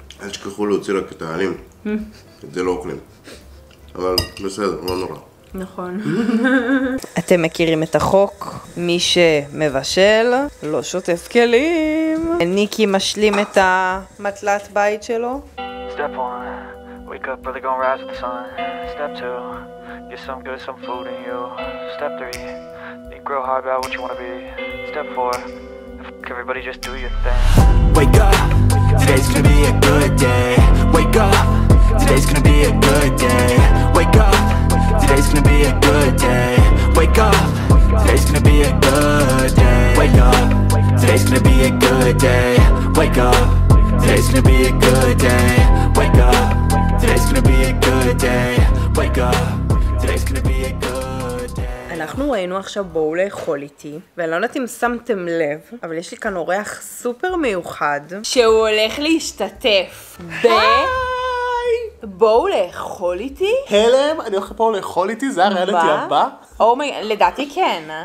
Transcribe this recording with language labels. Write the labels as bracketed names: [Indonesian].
[Hebrew] אל תשכחו להוציא רק את העלים, את זה לא אוכלים. אבל בסדר, לא נורא. נכון. אתם מכירים את החוק, מי שמבשל, לא שוטף כלים. ניקי משלים את המטלת בית שלו. [English] Step 1, wake up, brother gonna rise with the sun. Step 2, get some good, some food in you. Step 3, you grow hard about what you wanna be. Step 4, everybody just do your thing. Wake up, today's gonna be a good day. Wake up, today's gonna be a good day. Wake up, today's gonna be a good day. Wake up, today's gonna be a good day. Wake up, today's gonna be a good day. Wake up, today's gonna be a good day. Wake up, today's gonna be a good day. Wake up, today's gonna be a good day. [Hebrew] אנחנו ראינו עכשיו בואו לאכול איתי, ואני לא יודעת אם שמתם לב, אבל יש לי כאן אורח סופר מיוחד שהוא הולך להשתתף ב... היי! בואו לאכול איתי? הלם, אני הולכת פה לאכול איתי, זה הריאליטי הבא? אומי, לדעתי כן.